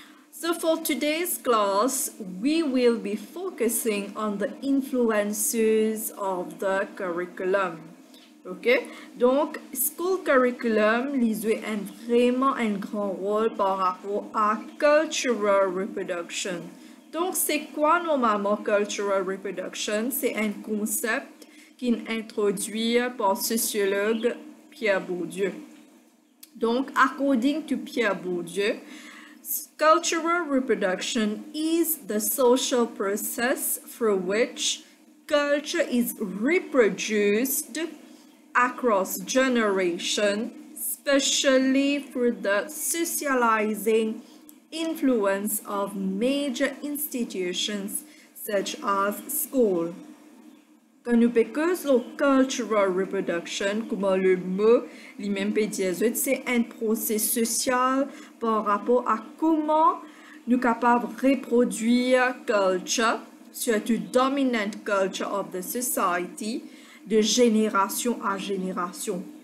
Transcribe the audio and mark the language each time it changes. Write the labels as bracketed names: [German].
[English] So for today's class, we will be focusing on the influences of the curriculum. [French] Ok, donc [English] school curriculum, [French] les a vraiment un grand rôle par rapport à cultural reproduction. Donc c'est quoi normalement cultural reproduction? C'est un concept qui est introduit par sociologue Pierre Bourdieu. [English] Donc, according to Pierre Bourdieu, cultural reproduction is the social process through which culture is reproduced across generations, especially through the socializing influence of major institutions such as school. [French] Quand nous parlons de cultural reproduction, comme le mot lui-même peut dire, c'est un processus social par rapport à comment nous capables reproduire culture, surtout [English] dominant culture of the society, [French] de génération à génération.